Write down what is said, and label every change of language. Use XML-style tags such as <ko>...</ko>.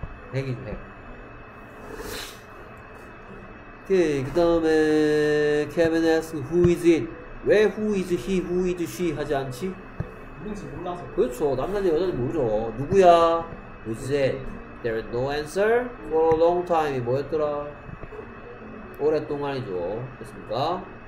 <ko>백이죠 백.</ko> <en>오케이</en> <ko>그 다음에</ko> <en>Kevin asks who is it? 왜 who is he, who is she</en> <ko>하지 않지? 누군지 몰라서 그렇죠 남자인지 여자인지 모르죠 누구야?</ko> <en>Who is it? There is no answer for a long time</en> <ko>뭐였더라? 오랫동안이죠 됐습니까?</ko>